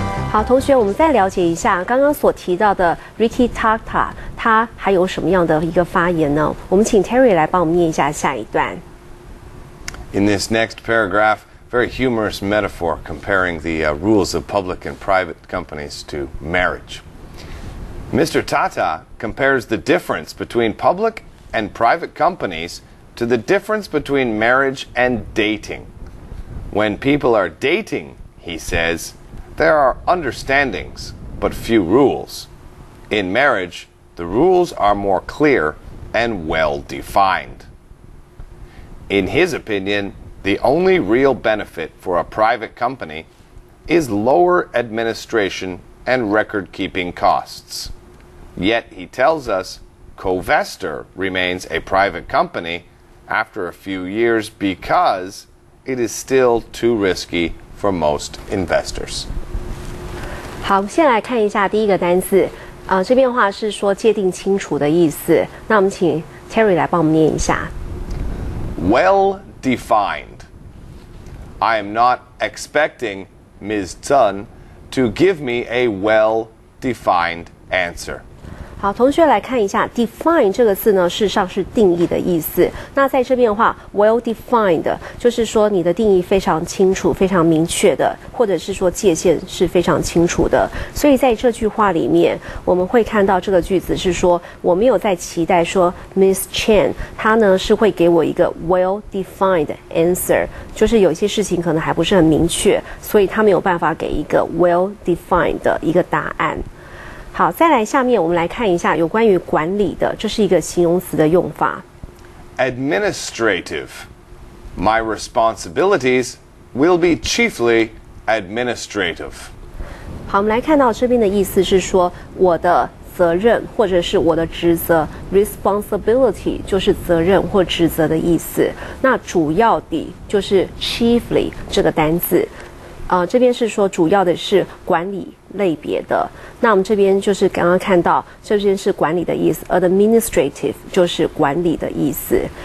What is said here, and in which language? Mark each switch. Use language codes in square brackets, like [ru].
[zh] 好，同学，我们再了解一下刚刚所提到的 Ricky Tata， 他还有什么样的一个发言呢？我们请 Terry 来帮我们念一下下一段。 [en] In this next paragraphVery humorous metaphor comparing the rules of public and private companies to marriage. Mr. Tata compares the difference between public and private companies to the difference between marriage and dating. When people are dating, he says, there are understandings, but few rules. In marriage, the rules are more clear and well-defined. In his opinion,The only real benefit for a private company is lower administration and record-keeping costs. Yet, he tells us, Covestor remains a private company after a few years because it is still too risky for most investors. [zh] 好，我们先来看一下第一个单词，这边的话是说界定清楚的意思。那我们请 Terry 来帮我们念一下。 [en] Well-defined. I am not expecting Ms. Tsun to give me a well-defined answer. [zh] 好，同学来看一下 ，define 这个字呢，事实上是定义的意思。那在这边的话 ，well-defined 就是说你的定义非常清楚、非常明确的，或者是说界限是非常清楚的。所以在这句话里面，我们会看到这个句子是说，我没有在期待说 Miss Chen 她呢是会给我一个 well-defined answer， 就是有些事情可能还不是很明确，所以她没有办法给一个 well-defined 的一个答案。好，再来下面我们来看一下有关于管理的，这是一个形容词的用法。 [en] Administrative. My responsibilities will be chiefly administrative. [zh] 好，我们来看到这边的意思是说我的责任或者是我的职责 ，responsibility 就是责任或职责的意思。那主要的就是 chiefly 这个单字。这边是说主要的是管理类别的，那我们这边就是刚刚看到这边是管理的意思 ，administrative 就是管理的意思。